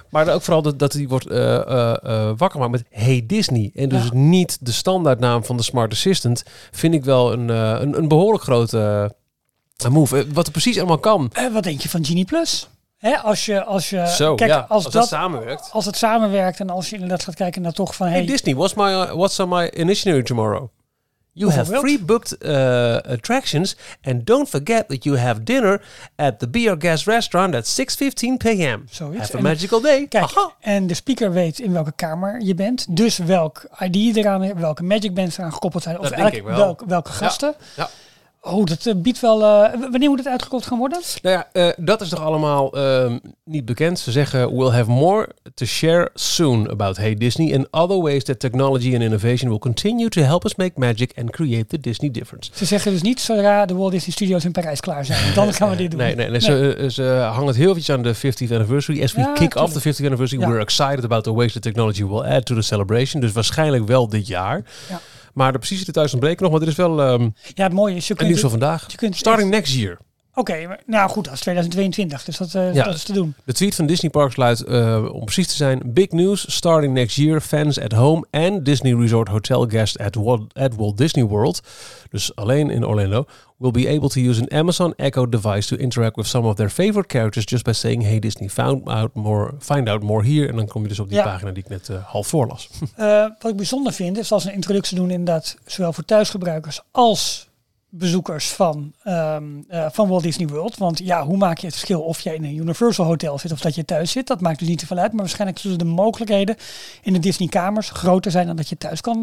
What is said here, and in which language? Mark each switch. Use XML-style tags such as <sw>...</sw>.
<nl>Maar ook vooral dat hij wordt wakker gemaakt met hey Disney. En dus niet de standaardnaam van de Smart Assistant, vind ik wel een behoorlijk grote move. Wat er precies allemaal kan. Wat denk je van Genie Plus? Hè, als je zo, kijk, ja, als dat samenwerkt. Als het samenwerkt en als je inderdaad gaat kijken naar toch van...</nl> <en>Hey Disney, what's on my initiatory tomorrow? You have free booked attractions and don't forget that you have dinner at the Be Our Guest restaurant at 6:15 p.m.</en> <nl>Zoiets.</nl> <en>Have a magical day.</en> <nl>Kijk, en de speaker weet in welke kamer je bent. Dus welk ID eraan, welke magic bands eraan gekoppeld zijn. Of eigenlijk welke gasten. Ja. Oh, dat biedt wel... wanneer moet het uitgekocht gaan worden? Nou ja, dat is toch allemaal niet bekend. Ze zeggen,</nl> <en>we'll have more to share soon about Hey Disney and other ways that technology and innovation will continue to help us make magic and create the Disney difference.</en> <nl>Ze zeggen dus niet zodra de Walt Disney Studios in Parijs klaar zijn. Dan gaan we dit doen. Nee. Ze hangen het heel veel aan de 50th anniversary.</nl> <en>As we kick off the 50th anniversary, we're excited about the ways that technology will add to the celebration.</en> <nl>Dus waarschijnlijk wel dit jaar. Ja. Maar de precieze details ontbreken nog, maar er is wel het mooie is, en nieuws van vandaag.</nl> <en>Starting next year.</en> <nl>Oké, nou goed, dat is 2022, dus dat is te doen. De tweet van Disney Parks luidt, om precies te zijn,</nl> <en>big news, starting next year, fans at home and Disney Resort Hotel guests at Walt Disney World,</en> <nl>dus alleen in Orlando,</nl> <en>will be able to use an Amazon Echo device to interact with some of their favorite characters just by saying, hey Disney, find out more here.</en> <nl>En dan kom je dus op die pagina die ik net half voorlas. Wat ik bijzonder vind, is als een introductie doen inderdaad, zowel voor thuisgebruikers als bezoekers van Walt Disney World. Want ja, hoe maak je het verschil of je in een Universal Hotel zit of dat je thuis zit? Dat maakt dus niet te veel uit. Maar waarschijnlijk zullen de mogelijkheden in de Disney kamers groter zijn dan dat je thuis kan</nl>